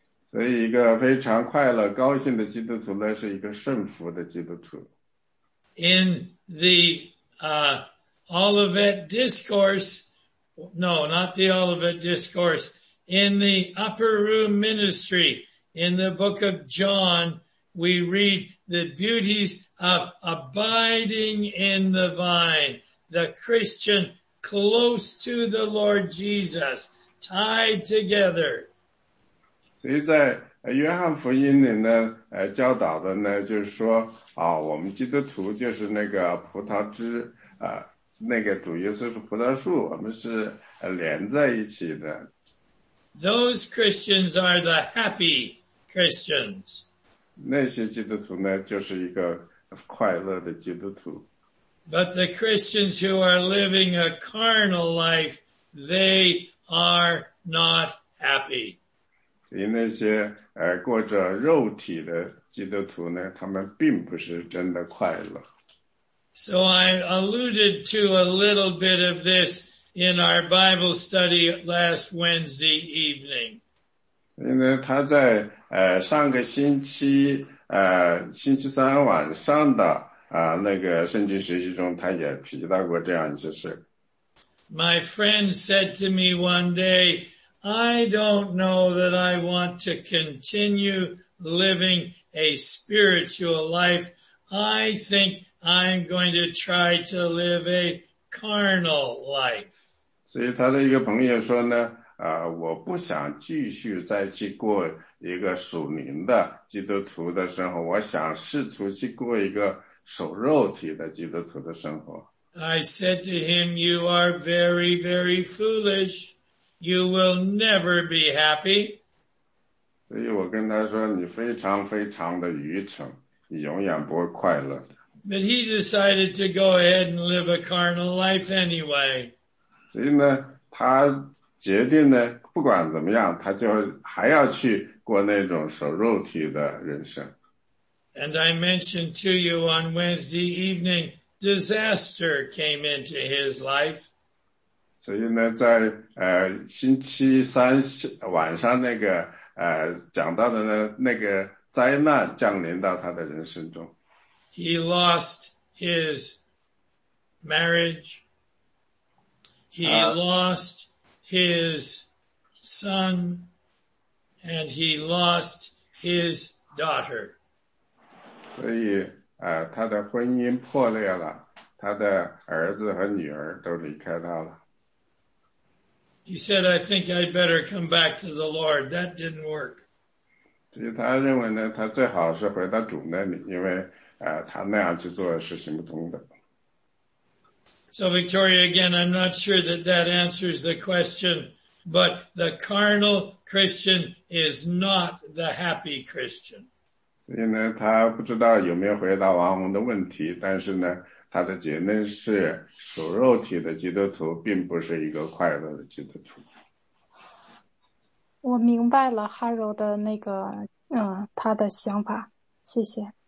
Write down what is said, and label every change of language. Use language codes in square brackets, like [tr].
[zh] 所以一个非常快乐高兴的基督徒呢，是一个顺服的基督徒。 [en] In the Olivet Discourse, no, not the Olivet Discourse, in the Upper Room Ministry, in the book of John, we read the beauties of abiding in the vine, the Christian close to the Lord Jesus, tied together. [zh] 所以在约翰福音里呢，教导的呢，就是说啊，我们基督徒就是那个葡萄枝啊，那个主耶稣是葡萄树，我们是连在一起的。 [en] Those Christians are the happy Christians. [zh] 那些基督徒呢，就是一个快乐的基督徒。 [en] But the Christians who are living a carnal life, they are not happy. [zh] 所以那些过着肉体的基督徒呢，他们并不是真的快乐。 [en] So I alluded to a little bit of this in our Bible study last Wednesday evening. [zh] 因为他在上个星期星期三晚上的那个圣经学习中，他也提到过这样一些事。 [en] My friend said to me one day, I don't know that I want to continue living a spiritual life. I think I'm going to try to live a carnal life. [zh] 所以他的一个朋友说呢，我不想继续再去过一个属灵的基督徒的生活，我想试图去过一个守肉体的基督徒的生活。 [en] I said to him, you are very, very foolish. You will never be happy. [zh] 所以我跟他说，你非常非常的愚蠢，你永远不会快乐。 [en] But he decided to go ahead and live a carnal life anyway. [zh] 所以呢，他决定呢，不管怎么样，他就还要去过那种守肉体的人生。 [en] And I mentioned to you on Wednesday evening, disaster came into his life. [zh] 所以呢，在星期三晚上那个讲到的呢，那个灾难降临到他的人生中。 [en] He lost his marriage. He lost his son, and he lost his daughter. [zh] 所以他的婚姻破裂了，他的儿子和女儿都离开他了。 [en] He said, I think I'd better come back to the Lord. That didn't work. [zh] 所以他认为呢，他最好是回到主那里，因为他那样去做是行不通的。 [en] So Victoria, again, I'm not sure that that answers the question, but the carnal Christian is not the happy Christian. [zh] 所以呢，他不知道有没有回答王宏的问题，但是呢，他的结论是属肉体的基督徒并不是一个快乐的基督徒。我明白了哈柔的那个他的想法，谢谢。